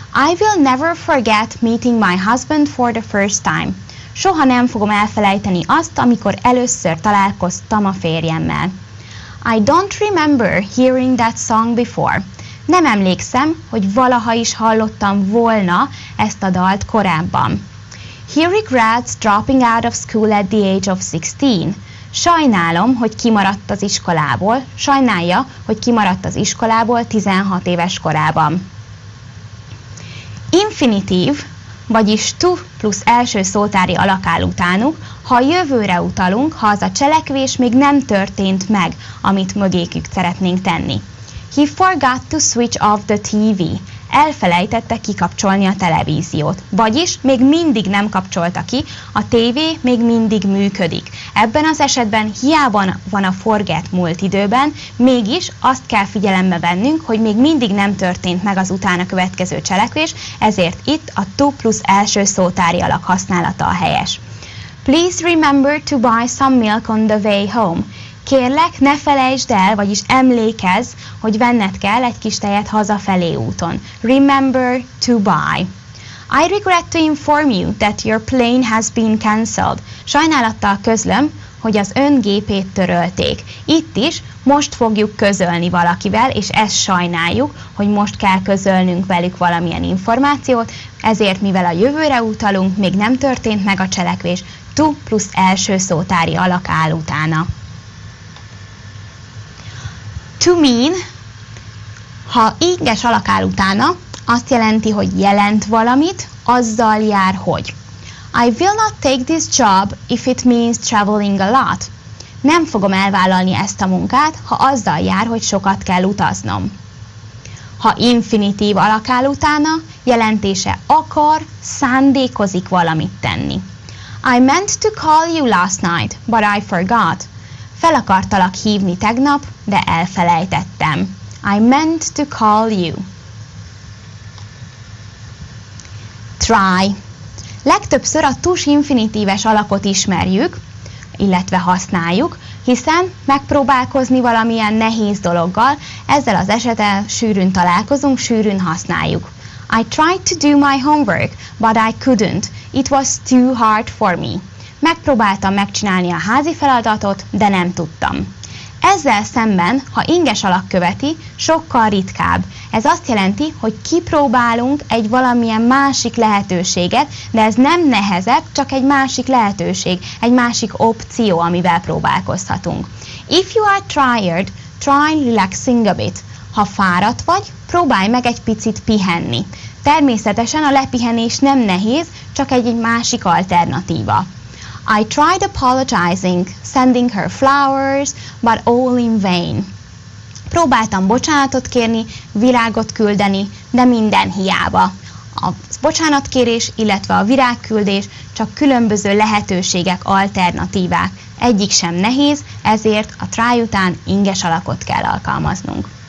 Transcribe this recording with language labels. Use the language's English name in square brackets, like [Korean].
[English] I will never forget meeting my husband for the first time. [Hungarian] Soha nem fogom elfelejteni azt, amikor először találkoztam a férjemmel. [English] I don't remember hearing that song before. [Hungarian] Nem emlékszem, hogy valaha is hallottam volna ezt a dalt korábban. [English] He regrets dropping out of school at the age of 16. [Hungarian] Sajnálom, hogy kimaradt az iskolából. Sajnálja, hogy kimaradt az iskolából 16 éves korában. Infinitív, vagyis to plusz első szótári alak áll utánuk, ha a jövőre utalunk, ha az a cselekvés még nem történt meg, amit mögékük szeretnénk tenni. [English] He forgot to switch off the TV. [Hungarian] Elfelejtette kikapcsolni a televíziót. Vagyis még mindig nem kapcsolta ki, a TV még mindig működik. Ebben az esetben hiába van a forget múlt időben, mégis azt kell figyelembe vennünk, hogy még mindig nem történt meg az utána következő cselekvés, ezért itt a to plusz első szótári alak használata a helyes. [English] Please remember to buy some milk on the way home. [Hungarian] Kérlek, ne felejtsd el, vagyis emlékezz, hogy venned kell egy kis tejet hazafelé úton. [English] Remember to buy. I regret to inform you that your plane has been cancelled. [Hungarian] Sajnálattal közlöm, hogy az ön gépét törölték. Itt is most fogjuk közölni valakivel, és ezt sajnáljuk, hogy most kell közölnünk velük valamilyen információt, ezért mivel a jövőre utalunk, még nem történt meg a cselekvés, to plusz első szótári alak áll utána. To mean, ha inges alak áll utána, azt jelenti, hogy jelent valamit, azzal jár, hogy. [English] I will not take this job if it means traveling a lot. [Hungarian] Nem fogom elvállalni ezt a munkát, ha azzal jár, hogy sokat kell utaznom. Ha infinitív alak áll utána, jelentése akar, szándékozik valamit tenni. [English] I meant to call you last night, but I forgot. [Hungarian] Fel akartalak hívni tegnap, de elfelejtettem. [English] I meant to call you. [Hungarian] Try. Legtöbbször a tus infinitíves alakot ismerjük, illetve használjuk, hiszen megpróbálkozni valamilyen nehéz dologgal, ezzel az esetben sűrűn találkozunk, sűrűn használjuk. [English] I tried to do my homework, but I couldn't. It was too hard for me. [Hungarian] Megpróbáltam megcsinálni a házi feladatot, de nem tudtam. Ezzel szemben, ha inges alak követi, sokkal ritkább. Ez azt jelenti, hogy kipróbálunk egy valamilyen másik lehetőséget, de ez nem nehezebb, csak egy másik lehetőség, egy másik opció, amivel próbálkozhatunk. [English] If you are tired, try relaxing a bit. [Hungarian] Ha fáradt vagy, próbálj meg egy picit pihenni. Természetesen a lepihenés nem nehéz, csak egy másik alternatíva. [English] I tried apologizing, sending her flowers, but all in vain. [Hungarian] Próbáltam bocsánatot kérni, virágot küldeni, de minden hiába. A bocsánatkérés, illetve a virágküldés csak különböző lehetőségek, alternatívák. Egyik sem nehéz, ezért a try után inges alakot kell alkalmaznunk.